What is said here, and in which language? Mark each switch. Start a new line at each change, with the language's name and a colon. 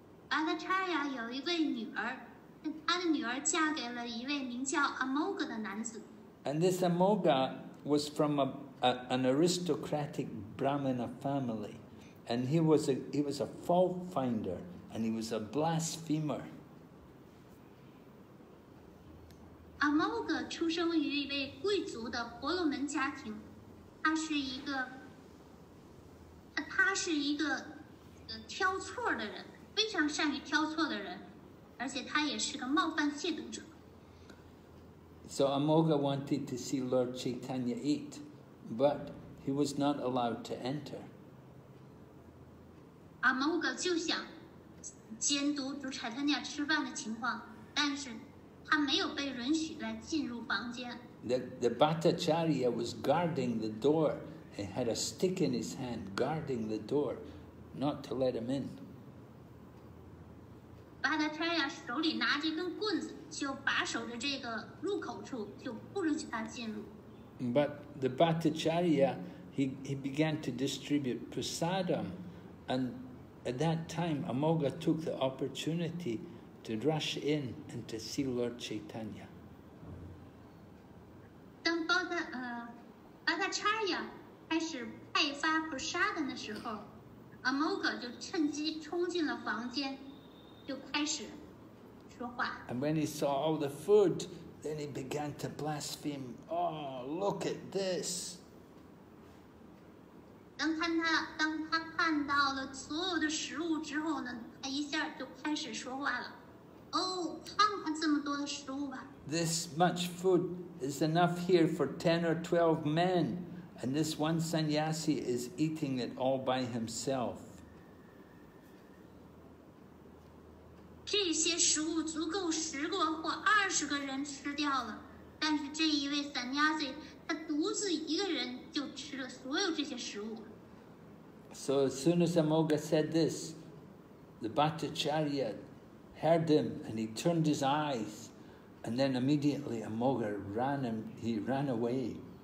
Chinese: Bhattacharya 有一位女儿，他的女儿嫁给了一位名叫 Amoga 的男子。
English: And this Amoga was from an aristocratic Brahmana family, and he was a fault finder, and he was a blasphemer.
Chinese: Amoga 出生于一位贵族的婆罗门家庭，他是一个挑错的人，非常善于挑错的人。而且他也是个冒犯亵渎者。
English: So Amoga wanted to see Lord Chaitanya eat, but he was not allowed to enter.
Chinese: Amoga 就想监督主柴丹尼吃饭的情况，但是他没有被允许来进入房间。
English: The Bhattacharya was guarding the door. He had a stick in his hand, guarding the door, not to let him in.
Chinese: 巴达查亚手里拿着一根棍子，就把守着这个入口处，就不允许他进入。
English: But the Bhattacharya, he began to distribute prasadam, and at that time Amoga took the opportunity to rush in and to see Lord Chaitanya.
Chinese: 当巴达查亚开始派发 prasadam 的时候 ，Amoga 就趁机冲进了房间。就开始说话。
English: And when he saw all the food, then he began to blaspheme. Oh, look at this!
Chinese: 当他看到了所有的食物之后呢，他一下就开始说话了。哦，看看这么多的食物吧。
English: This much food is enough here for 10 or 12 men, and this one sannyasi is eating it all by himself.
Chinese: 这些食物足够十个或二十个人吃掉了，但是这一位 Sanyasi 他独自一个人就吃了所有这些食物。
English: So as soon as Amoga said this, the Bhattacharya heard him and he turned his eyes, and then immediately Amoga ran and he ran away.